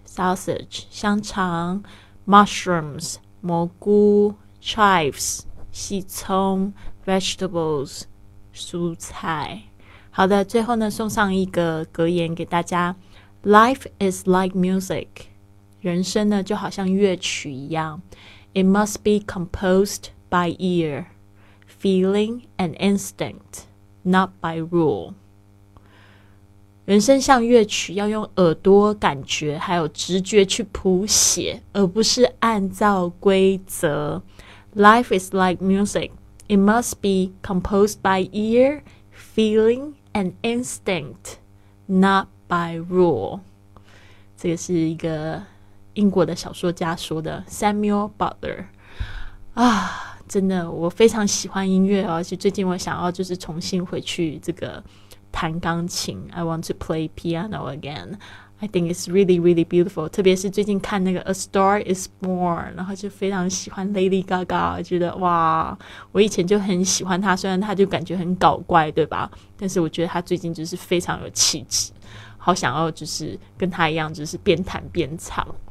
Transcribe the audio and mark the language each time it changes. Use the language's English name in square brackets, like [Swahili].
[English] sausage, 香肠 mushrooms, 蘑菇 chives, 细葱 vegetables, 蔬菜。 [Chinese] 好的，最后呢，送上一个格言给大家。 [English] Life is like music. [Chinese] 人生呢，就好像乐曲一样。 [English] It must be composed by ear, feeling and instinct, not by rule. [Chinese] 人生像乐曲，要用耳朵、感觉还有直觉去谱写，而不是按照规则。 [English] Life is like music. It must be composed by ear, feeling and instinct, not by rule. [Chinese] 这个是一个英国的小说家说的 ,Samuel Butler. 啊，真的，我非常喜欢音乐哦，而且最近我想要就是重新回去这个弹钢琴。 [English] I want to play piano again. I think it's really, really beautiful. [Chinese] 特别是最近看那个 A Star is Born, 然后就非常喜欢 Lady Gaga, 觉得哇，我以前就很喜欢她，虽然她就感觉很搞怪，对吧？但是我觉得她最近就是非常有气质，好想要就是跟她一样，就是边弹边唱。